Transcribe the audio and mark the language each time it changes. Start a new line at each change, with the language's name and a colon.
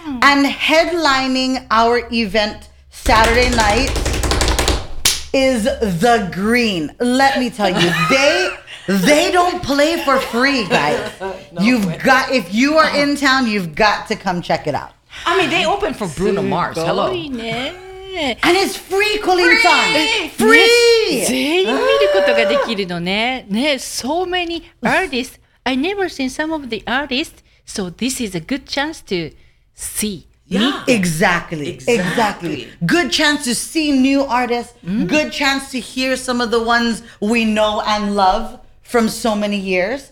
English: And headlining our event Saturday night is The Green. Let me tell you, they don't play for free, guys. If you are in town, you've got to come check it out. I mean, they open for Bruno Mars. Hello. And it's free, Colleen Sun! Free!
Japanese: 全員見ることができるのね。
English: ね、so many artists. I never seen some of the artists, so this is a good chance to see. Yeah, exactly. Good chance to see new artists. Good chance to hear some of the ones we know and love from so many years.